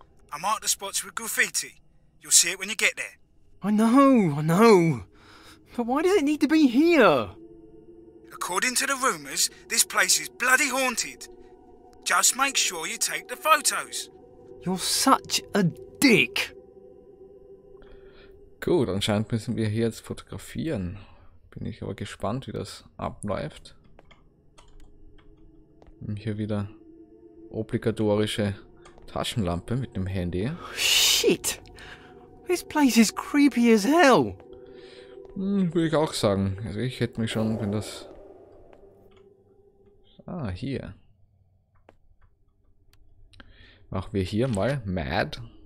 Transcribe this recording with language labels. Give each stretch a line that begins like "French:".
English: I mark the spots with graffiti. You'll see it when you get there. I know. But why does it need to be here? According to the rumors, this place is bloody haunted. Just make sure you take the photos. You're such a dick.
German: Gut, anscheinend müssen wir hier jetzt fotografieren. Bin ich aber gespannt, wie das abläuft. Hier wieder obligatorische Taschenlampe mit dem Handy. Oh,
English: shit! This place is creepy as hell.
German: Würde ich auch sagen. Also ich hätte mich schon, wenn das... Ah, hier. Machen wir hier mal Mad.